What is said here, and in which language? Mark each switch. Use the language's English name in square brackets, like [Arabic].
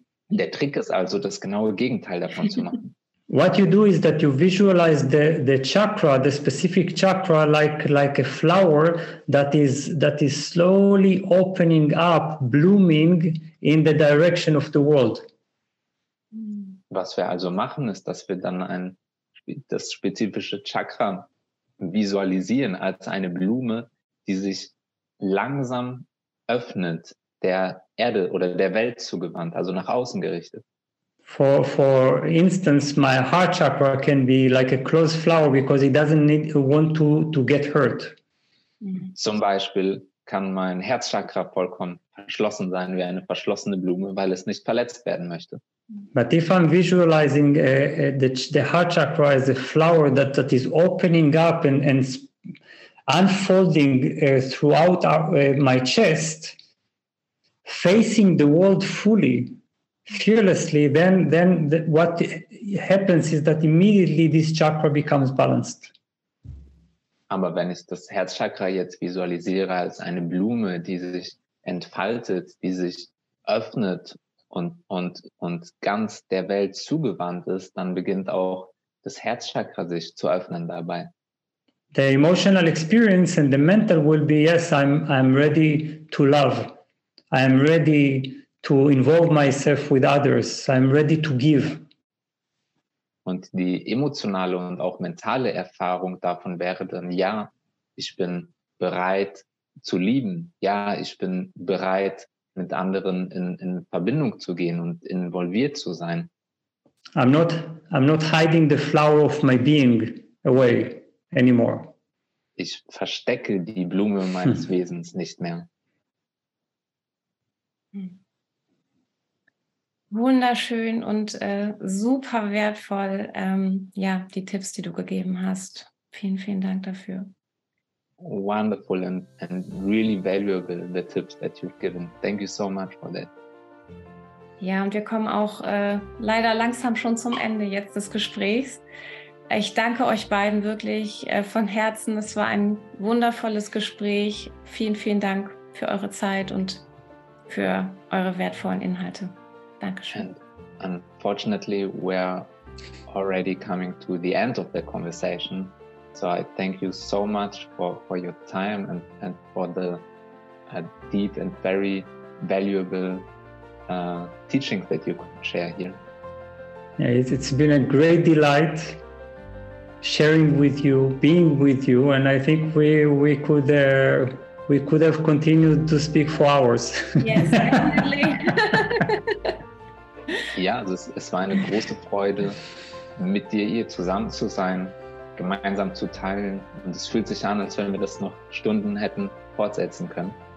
[German] Der Trick ist also, das genaue Gegenteil davon zu machen. [English] What you do is that you visualize the chakra, the specific chakra, like a flower that is slowly opening up, blooming in the direction of the world. [German] Was wir also machen, ist, dass wir dann das spezifische Chakra visualisieren als eine Blume, die sich langsam öffnet, der Erde oder der Welt zugewandt, also nach außen gerichtet. [English] For instance, my heart chakra can be like a closed flower because it doesn't want to get hurt. [German] Zum Beispiel kann mein Herzchakra vollkommen verschlossen sein wie eine verschlossene Blume, weil es nicht verletzt werden möchte. [English] But if I'm visualizing the heart chakra as a flower that is opening up and unfolding throughout my chest, facing the world fully, fearlessly, then what happens is that immediately this chakra becomes balanced. [German] Aber wenn ich das Herzchakra jetzt visualisiere als eine Blume, die sich entfaltet, die sich öffnet und ganz der Welt zugewandt ist, dann beginnt auch das Herzchakra sich zu öffnen dabei. [English] The emotional experience and the mental will be, yes, I'm ready to love. I'm ready to involve myself with others. I'm ready to give. [German] Und die emotionale und auch mentale Erfahrung davon wäre dann, ja, ich bin bereit zu lieben. Ja, ich bin bereit, mit anderen in Verbindung zu gehen und involviert zu sein. [English] I'm not hiding the flower of my being away anymore. [German] Ich verstecke die Blume meines Wesens nicht mehr. Wunderschön und super wertvoll, ja, die Tipps, die du gegeben hast. Vielen, vielen Dank dafür. [English] Wonderful and really valuable, the tips that you've given. Thank you so much for that. [German] Ja, und wir kommen auch leider langsam schon zum Ende jetzt des Gesprächs. Ich danke euch beiden wirklich von Herzen. Es war ein wundervolles Gespräch. Vielen, vielen Dank für eure Zeit und für eure wertvollen Inhalte. Dankeschön. [English] And unfortunately, we're already coming to the end of the conversation. So I thank you so much for your time and for the deep and very valuable teachings that you could share here. Yeah, it's been a great delight sharing with you, being with you, and I think we could have continued to speak for hours. Yes, definitely. [German] Ja, yeah, es war eine große Freude, mit dir hier zusammen zu sein, gemeinsam zu teilen, und es fühlt sich an, als wenn wir das noch Stunden hätten fortsetzen können.